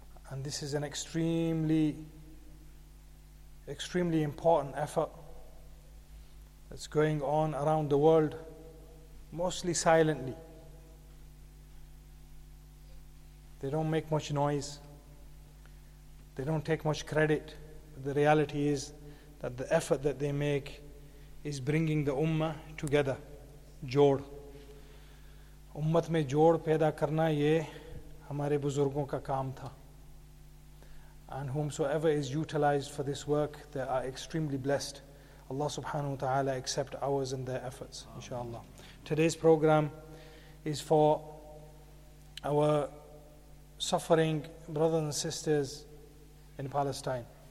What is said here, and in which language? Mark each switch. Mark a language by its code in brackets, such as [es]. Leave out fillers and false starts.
[en] And this is an extremely, extremely important effort that's going on around the world, mostly silently. They don't make much noise. They don't take much credit. But the reality is that the effort that they make is bringing the ummah together. [ur] Jod. امت میں جوڑ پیدا کرنا یہ ہمارے بزرگوں کا کام تھا۔ [en] And whomsoever is utilized for this work, they are extremely blessed. Allah subhanahu wa ta'ala accept ours and their efforts, inshaAllah. Today's program is for our suffering brothers and sisters in Palestine.